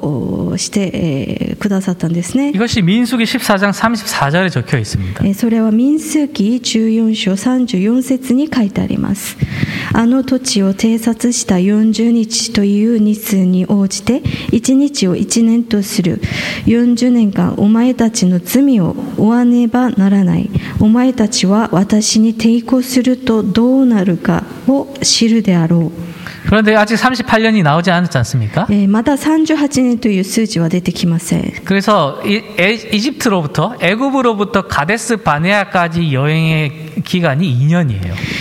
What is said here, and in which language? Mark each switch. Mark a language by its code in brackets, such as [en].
[ja] 神様は神様を信頼しないこのイスラエルを40日間偵察に使わした。それを40年の期間に変えて、アラノをさまようそのような時間としてくださったんですね。 [ko] 이것이 민수기 14장 34절에 적혀 있습니다. [ja] それは民数記14章34節に 書いてあります。あの土地を偵察した40日という日数に応じて1日を1年とする。40年間お前たちの罪を負わねばならない。お前たちは私に抵抗するとどうなるかを知るであろう。 [ko] 그런데 아직 38년이 나오지 않았지 않습니까? [ja] 예, 38년という数字は出てきません。 [ko] 그래서 이집트로부터 애굽으로부터 가데스 바네아까지 여행의 기간이 2년이에요.